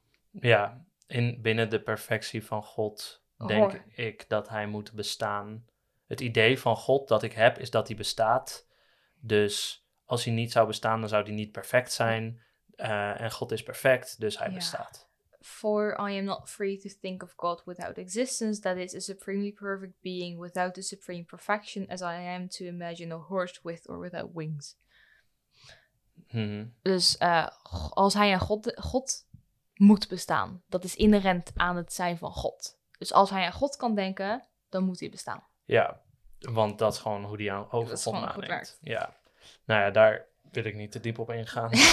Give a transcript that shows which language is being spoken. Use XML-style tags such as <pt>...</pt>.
<nl>Ja, in binnen de perfectie van God denk ik dat hij moet bestaan. Het idee van God dat ik heb is dat hij bestaat. Dus als hij niet zou bestaan, dan zou hij niet perfect zijn. En God is perfect, dus hij bestaat.</nl> <en>For I am not free to think of God without existence, that is a supremely perfect being without the supreme perfection, as I am to imagine a horse with or without wings. Mm-hmm.</en> <nl>Dus als hij een God moet bestaan, dat is inherent aan het zijn van God. Dus als hij aan God kan denken, dan moet hij bestaan. Ja, want dat is gewoon hoe die aan over God nadenkt. Ja. Nou ja, daar wil ik niet te diep op ingaan.</nl>